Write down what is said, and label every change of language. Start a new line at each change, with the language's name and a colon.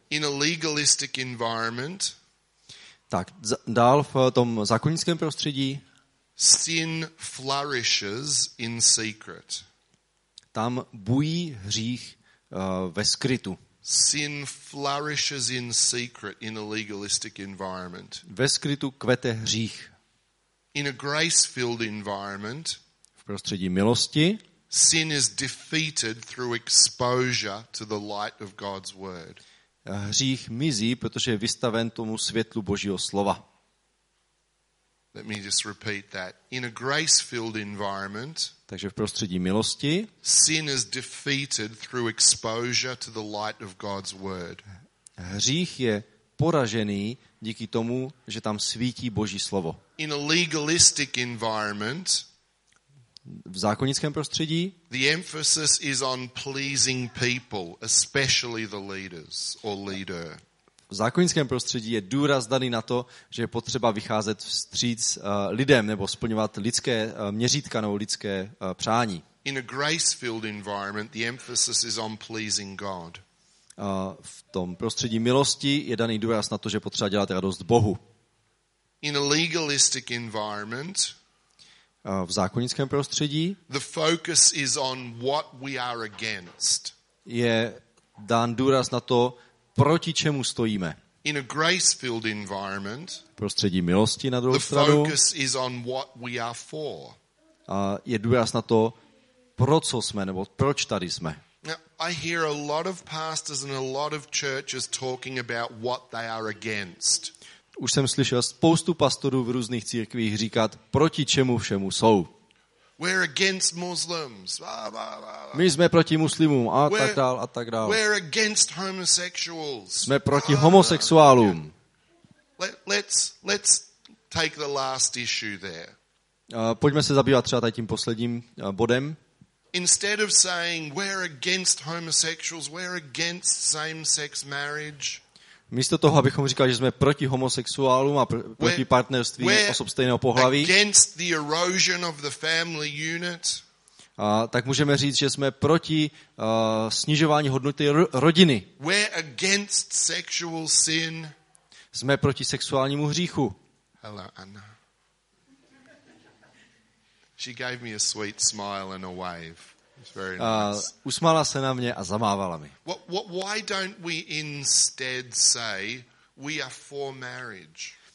English: In a legalistic environment,
Czech: tak dál v tom zákonickém prostředí,
English: sin flourishes in secret.
Czech: Tam bují hřích ve skrytu.
English: Sin flourishes in secret in a legalistic environment.
Czech: Ve skrytu kvete hřích.
English: In a grace-filled environment,
Czech: v prostředí milosti,
English: sin is defeated through exposure to the light of God's word.
Czech: Hřích mizí, protože je vystaven tomu světlu Božího slova.
English: Let me just repeat that. In a grace-filled environment,
Czech: takže v prostředí milosti,
English: sin is defeated through exposure to the light of God's word.
Czech: Hřích je poražený díky tomu, že tam svítí Boží slovo.
English: In a legalistic environment,
Czech: v zákonickém prostředí,
English: the emphasis is on pleasing people, especially the leaders or leader.
Czech: V zákonickém prostředí je důraz daný na to, že je potřeba vycházet vstříc lidem nebo splňovat lidské měřítka nebo lidské přání.
English: In a grace-filled environment, the emphasis is on pleasing God.
Czech: V tom prostředí milosti je daný důraz na to, že potřeba dělat radost Bohu.
English: in a legalistic environment,
Czech: v zákonickém prostředí,
English: the focus is on what we are against.
Czech: Je dán důraz na to, proti čemu stojíme.
English: In a grace-filled environment,
Czech: v prostředí milosti na druhou
English: the
Czech: stranu,
English: focus is on what we are for.
Czech: Je důraz na to, pro co jsme, nebo proč tady jsme.
English: I hear a lot of pastors and a lot of churches talking about what they are against.
Czech: Už jsem slyšel spoustu pastorů v různých církvích říkat, proti čemu všemu jsou.
English: We're against Muslims. Blah, blah, blah, blah.
Czech: My jsme proti muslimům a we're, tak dál a tak dál.
English: We're against homosexuals.
Czech: Jsme proti homosexuálům.
English: Let's take the last issue there.
Czech: Pojďme se zabývat třeba tady tím posledním bodem.
English: Instead of saying we're against homosexuals, we're against same-sex marriage.
Czech: Místo toho, abychom říkali, že jsme proti homosexuálům a proti partnerství osob stejného pohlaví.
English: Against the erosion of the family unit.
Czech: Tak můžeme říct, že jsme proti snižování hodnoty rodiny.
English: We're against sexual sin.
Czech: Jsme proti sexuálnímu hříchu.
English: Hello, Anna. She gave me a sweet smile and a wave. It's very nice.
Czech: Usmála se na mě a zamávala mi.
English: What why don't we instead say we are for marriage?